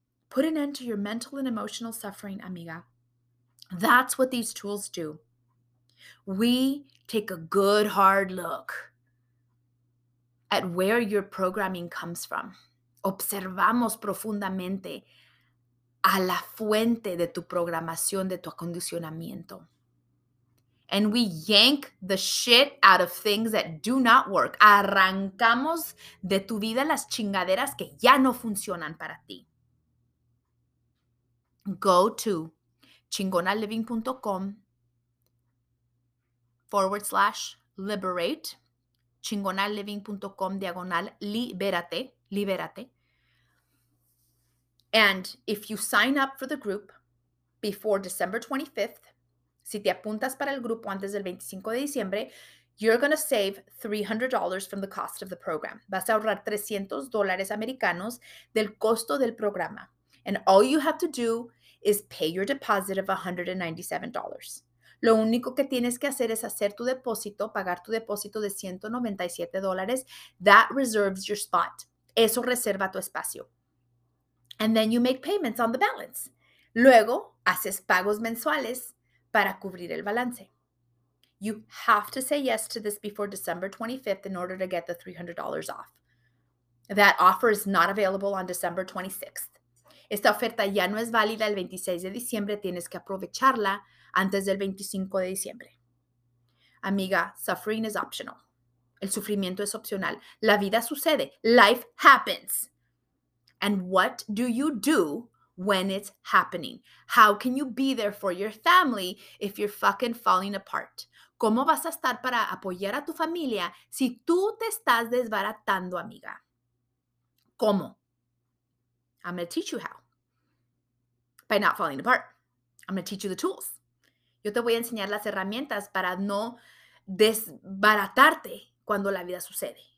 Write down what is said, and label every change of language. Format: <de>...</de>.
<en>Put an end to your mental and emotional suffering, amiga. That's what these tools do. We take a good hard look at where your programming comes from.</en> <es>Observamos profundamente a la fuente de tu programación, de tu acondicionamiento.</es> <en>And we yank the shit out of things that do not work.</en> <es>Arrancamos de tu vida las chingaderas que ya no funcionan para ti.</es> <en>Go to chingonaliving.com/liberate, chingonaliving.com/liberate, liberate. And if you sign up for the group before December 25th,</en> <es>si te apuntas para el grupo antes del 25 de diciembre,</es> <en>you're going to save $300 from the cost of the program.</en> <es>Vas a ahorrar $300 americanos del costo del programa.</es> <en>And all you have to do is pay your deposit of $197.</en> <es>Lo único que tienes que hacer es hacer tu depósito, pagar tu depósito de $197.</es> <en>That reserves your spot.</en> <es>Eso reserva tu espacio.</es> <en>And then you make payments on the balance.</en> <es>Luego, haces pagos mensuales para cubrir el balance.</es> <en>You have to say yes to this before December 25th in order to get the $300 off. That offer is not available on December 26th.</en> <es>Esta oferta ya no es válida el 26 de diciembre. Tienes que aprovecharla antes del 25 de diciembre.</es> <en>Amiga, suffering is optional.</en> <es>El sufrimiento es opcional. La vida sucede.</es> <en>Life happens. And what do you do when it's happening? How can you be there for your family if you're fucking falling apart?</en> <es>¿Cómo vas a estar para apoyar a tu familia si tú te estás desbaratando, amiga?</es> <en>¿Cómo? I'm going to teach you how. By not falling apart. I'm going to teach you the tools.</en> <es>Yo te voy a enseñar las herramientas para no desbaratarte cuando la vida sucede.</es>